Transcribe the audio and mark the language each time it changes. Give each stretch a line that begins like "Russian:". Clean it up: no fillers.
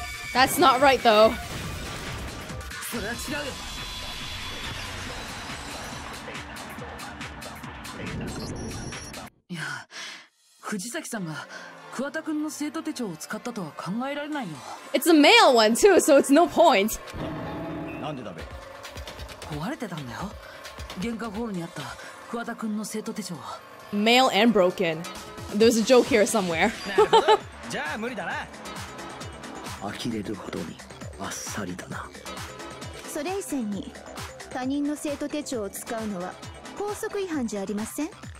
English: That's not right, though.
Japanese: それは違う。いや、藤崎さんが桑田君の生徒手帳を使ったとは考えられないよ。
English: It's a male one too, so it's no point.
Japanese: なんでだべ？壊れてたんだよ。玄関ホールにあった桑田君の生徒手帳は。
English: Male and broken. There's a joke here somewhere.
Japanese: じゃあ無理だな。呆れるほどにあっさりだな。それ以前に他人の生徒手帳を使うのは校則違反じゃありません？